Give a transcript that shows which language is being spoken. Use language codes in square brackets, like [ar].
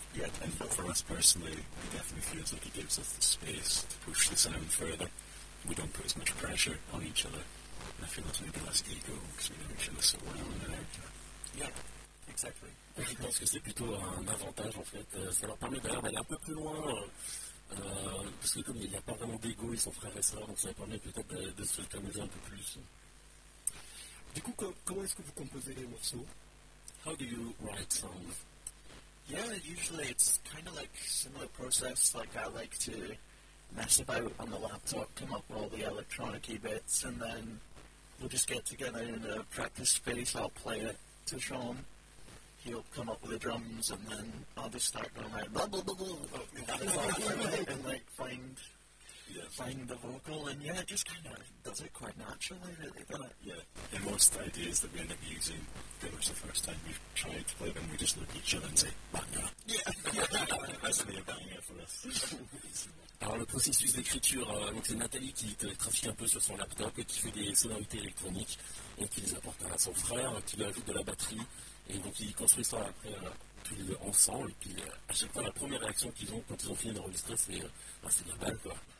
[en] Yeah, and for us personally, it definitely feels like it gives us the space to push the sound further. We don't put as much pressure on each other. And I feel that's maybe less ego because we know each other so well in America. Yeah. Exactly. [fr] Je pense que c'est plutôt un avantage en fait. Ça leur permet d'ailleurs d'aller un peu plus loin. Parce que comme il n'y a pas vraiment d'ego, ils sont frères et sœurs, donc ça leur permet peut-être de se camouser un peu plus. Du coup, comment est-ce que vous composez les morceaux? [en] How do you write songs? Yeah, usually it's kind of like similar process. Like I like to mess about on the laptop, come up with all the electronic-y bits, and then we'll just get together in a practice space, I'll play it to Sean. He'll come up with the drums, and then I'll just start going like blah blah blah blah, and like find the vocal, and yeah, just kind of does it quite naturally, really. Yeah, and most ideas that we end up using, that was the first time we tried to play them, we just look at each other and say banger. Yeah, that's really a banger for us. [fr] Alors, le processus d'écriture, donc c'est Nathalie qui trafique un peu sur son laptop et qui fait des sonorités électroniques et qui les apporte à son frère qui lui ajoute de la batterie. Et donc, ils construisent ça après tous les deux ensemble. Et puis, à chaque fois, la première réaction qu'ils ont quand ils ont fini d'enregistrer, c'est la balle, quoi.